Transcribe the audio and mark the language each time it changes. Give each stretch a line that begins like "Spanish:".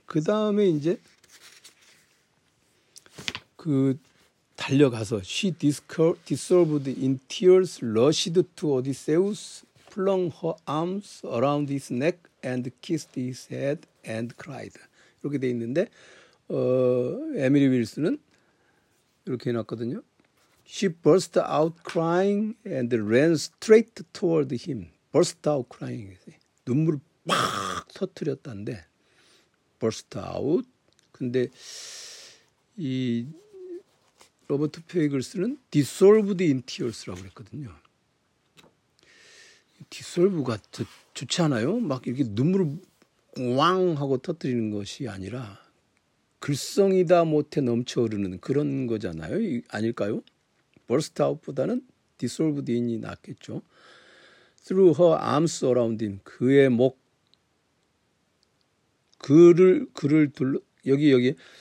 Korean: 그다음에 이제 그 달려가서
English: she dissolved in tears rushed to Odysseus flung her arms around his neck and kissed his head and cried.
Korean: 이렇게 돼 있는데 에밀리 윌슨은 이렇게 해놨거든요.
English: She burst out crying and ran straight toward him. burst out crying.
Korean: 눈물을 팍 터뜨렸다는데
English: burst out.
Korean: 근데 이 로버트 페이글스는
English: dissolved in tears
Korean: 라고 그랬거든요.
English: dissolve
Korean: 가 좋지 않아요? 막 이렇게 눈물을 꽝 하고 터뜨리는 것이 아니라 글썽이다 못해 넘쳐흐르는 그런 거잖아요. 아닐까요?
English: burst out
Korean: 보다는
English: dissolved in
Korean: 이 낫겠죠.
English: through her arms around him
Korean: 그의 목 그를 둘러 여기